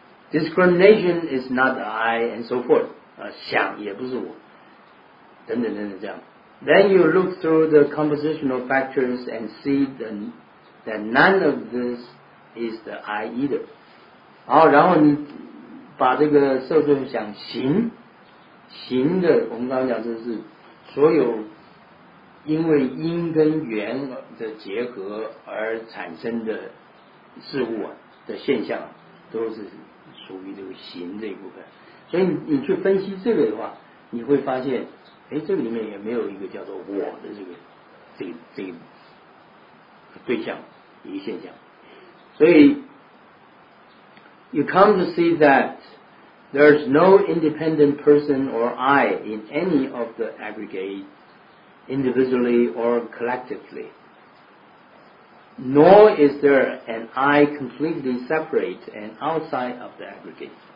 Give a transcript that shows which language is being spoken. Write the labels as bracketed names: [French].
[English] Discrimination is not the I and so forth. [Chinese] 啊，想也不是我。等等等等这样。 [English] Then you look through the compositional factors and see that none of this is the I either. [Chinese] 好，然后你把这个受众想行行的，我们刚刚讲这是所有因为因跟缘的结合而产生的事物啊的现象，都是属于这个行这一部分。所以你去分析这个的话，你会发现，哎，这个里面也没有一个叫做我的这个对象一个现象。所以 [English] you come to see that there's no independent person or I in any of the aggregate individually or collectively. Nor is there an I completely separate and outside of the aggregate.